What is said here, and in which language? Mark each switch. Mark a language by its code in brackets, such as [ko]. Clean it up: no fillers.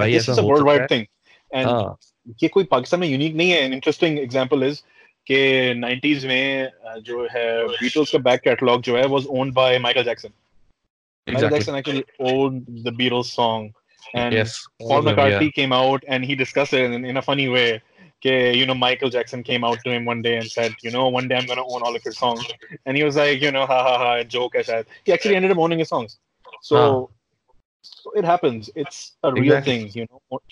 [ur] भाई ऐसा [en] worldwide thing and [ur] ये कोई पाकिस्तान में unique नहीं है [en] an interesting example is [ur] के 90s में जो है बीटल्स का बैक कैटलॉग जो है [en] was owned by [ur] Michael Jackson. [en] Michael Jackson actually owned the Beatles song. And yes, Paul McCartney came out and he discussed it in a funny way. Ke, you know, Michael Jackson came out to him one day and said, you know, one day I'm going to own all of your songs. And he was like, you know, ha ha ha, joke. I said, he actually ended up owning his songs. So, so it happens. It's a real thing, you know.